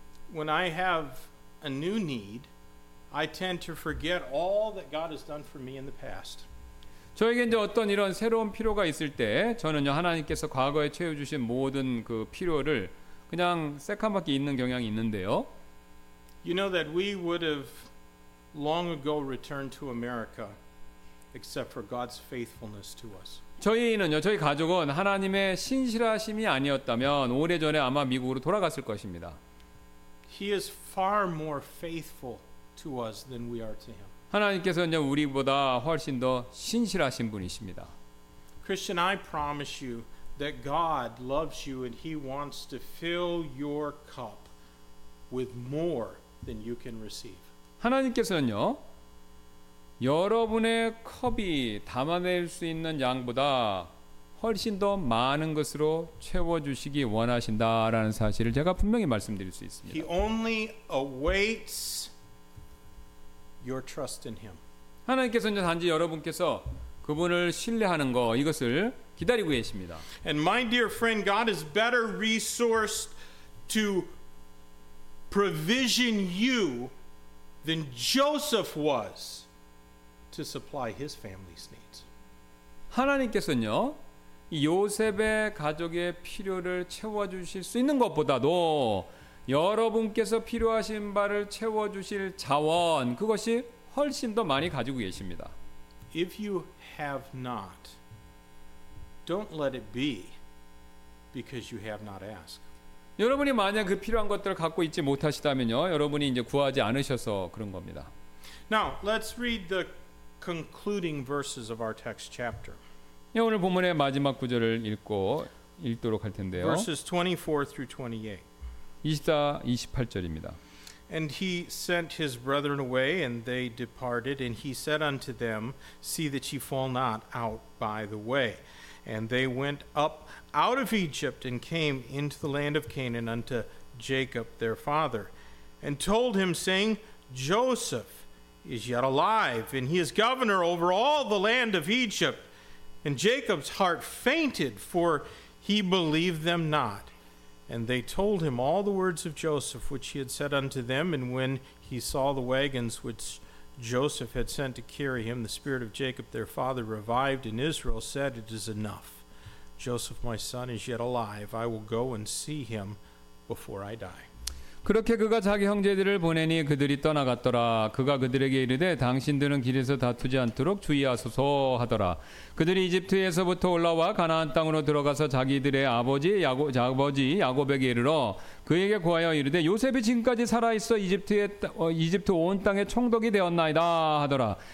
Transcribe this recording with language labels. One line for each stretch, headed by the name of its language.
English: When I have a new need. I tend to forget all that God has done for me in the past.
Korean: 저에게 이제 어떤 이런 새로운 필요가 있을 때 저는요 하나님께서 과거에 채워 주신 모든 그 필요를 그냥 새카맣게 잊는 경향이 있는데요.
English: You know that we would have long ago returned to America except for God's faithfulness to us.
Korean: 저희는요 저희 가족은 하나님의 신실하심이 아니었다면 오래전에 아마 미국으로 돌아갔을 것입니다.
English: He is far more faithful to us than we are to him.
Korean: 하나님께서는 우리보다 훨씬 더 신실하신 분이십니다.
English: Christian, I promise you that God loves you and he wants to fill your cup with more than you can receive.
Korean: 하나님께서는요. 여러분의 컵이 담아낼 수 있는 양보다 훨씬 더 많은 것으로 채워 주시기 원하신다라는 사실을 제가 분명히 말씀드릴 수 있습니다.
English: He only awaits your trust in him.
Korean: 하나님께서 이제 단지 여러분께서 그분을 신뢰하는 거 이것을 기다리고 계십니다.
English: And my dear friend, God is better resourced to provision you than Joseph was to supply his family's needs.
Korean: 하나님께서는요 요셉의 가족의 필요를 채워주실 수 있는 것보다도 여러분께서 필요하신 바를 채워주실 자원 그것이 훨씬 더 많이 가지고 계십니다.
English: If you have not, don't let it be because you have not asked.
Korean: 여러분이 만약 그 필요한 것들을 갖고 있지 못하시다면요, 여러분이 이제 구하지 않으셔서 그런 겁니다.
English: Now let's read the concluding verses of our text chapter.
Korean: 예, 오늘 본문의 마지막 구절을 읽고 읽도록 할 텐데요.
English: Verses 24 through 28.
Korean: 24, 28절입니다.
English: And he sent his brethren away, and they departed. And he said unto them, See that ye fall not out by the way. And they went up out of Egypt and came into the land of Canaan unto Jacob their father, and told him, saying, Joseph is yet alive, and he is governor over all the land of Egypt. And Jacob's heart fainted, for he believed them not. And they told him all the words of Joseph, which he had said unto them. And when he saw the wagons which Joseph had sent to carry him, the spirit of Jacob their father revived, and Israel said, It is enough. Joseph, my son, is yet alive. I will go and see him before I die.
Korean: 그렇게 그가 자기 형제들을 보내니 그들이 떠나갔더라. 그가 그들에게 이르되 당신들은 길에서 다투지 않도록 주의하소서 하더라. 그들이 이집트에서부터 올라와 가나안 땅으로 들어가서 자기들의 아버지 야곱에게 이르러 그에게 구하여 이르되 요셉이 지금까지 살아있어 이집트 온 땅의 총독이 되었나이다 하더라.